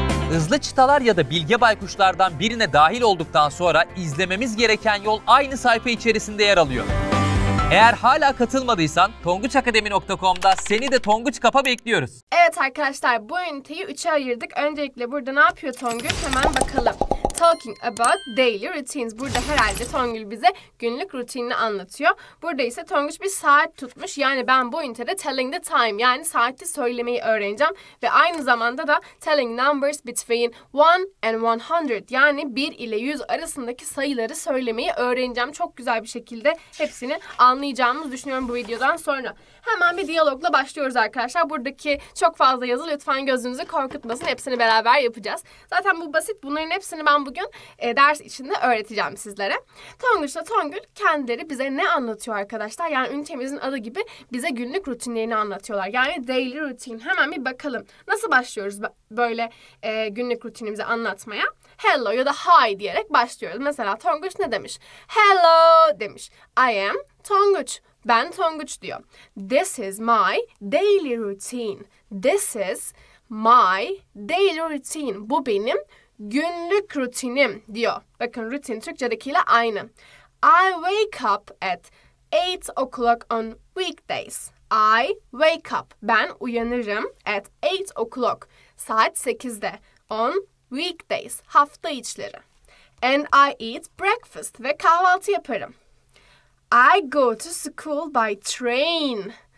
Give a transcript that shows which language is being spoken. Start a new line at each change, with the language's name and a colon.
Turkish: Hızlı çıtalar ya da bilge baykuşlardan birine dahil olduktan sonra izlememiz gereken yol aynı sayfa içerisinde yer alıyor. Eğer hala katılmadıysan tonguçakademi.com'da seni de Tonguç Kap'a bekliyoruz. Evet arkadaşlar, bu üniteyi 3'e ayırdık. Öncelikle burada ne yapıyor Tonguç? Hemen bakalım.
English: Talking about daily routines.
Turkish: Burada herhalde Tongül bize günlük rutinini anlatıyor. Burada ise Tonguç bir saat tutmuş. Yani ben bu ünitede
English: telling the time,
Turkish: yani saati söylemeyi öğreneceğim. Ve aynı zamanda da
English: telling numbers between 1 and 100.
Turkish: Yani 1 ile 100 arasındaki sayıları söylemeyi öğreneceğim. Çok güzel bir şekilde hepsini anlayacağımızı düşünüyorum bu videodan sonra. Hemen bir diyalogla başlıyoruz arkadaşlar. Buradaki çok fazla yazı lütfen gözünüzü korkutmasın. Hepsini beraber yapacağız. Zaten bu basit. Bunların hepsini ben bugün ders içinde öğreteceğim sizlere. Tonguç'la Tongül kendileri bize ne anlatıyor arkadaşlar? Yani ünitemizin adı gibi bize günlük rutinlerini anlatıyorlar. Yani
English: daily routine.
Turkish: Hemen bir bakalım. Nasıl başlıyoruz böyle günlük rutinimizi anlatmaya? Hello ya da hi diyerek başlıyoruz. Mesela Tonguç ne demiş? Hello demiş.
English: I am Tonguç.
Turkish: Ben Tonguç diyor.
English: This is my daily routine. This is my daily routine.
Turkish: Bu benim günlük rutinim diyor. Bakın rutin Türkçedekiyle aynı.
English: I wake up at 8 o'clock on weekdays. I wake up.
Turkish: Ben uyanırım
English: at 8 o'clock.
Turkish: Saat 8'de.
English: On weekdays.
Turkish: Hafta içleri.
English: And I eat breakfast.
Turkish: Ve kahvaltı yaparım.
English: I go to school by train.